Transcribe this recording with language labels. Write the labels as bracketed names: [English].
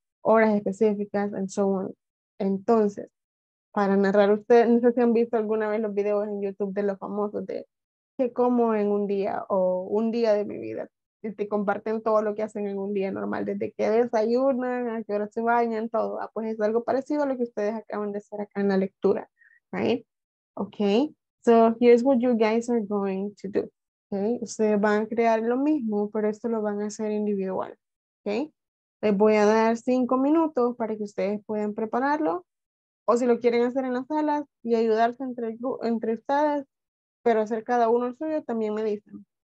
[Spanish] Horas específicas, [English] and so on. [Spanish] Entonces, para narrar ustedes, no sé si han visto alguna vez los videos en YouTube de los famosos de qué como en un día o un día de mi vida. Y te comparten todo lo que hacen en un día normal, desde que desayunan, a qué hora se bañan, todo. Ah, pues es algo parecido a lo que ustedes acaban de hacer acá en la lectura, right? [English] Okay, so here's what you guys are going to do, okay? [Spanish] Ustedes van a crear lo mismo, pero esto lo van a hacer individual, okay? Les voy a dar 5 minutos para que ustedes puedan prepararlo, o si lo quieren hacer en las salas y ayudarse entre ustedes, pero hacer cada uno el suyo, también me dicen.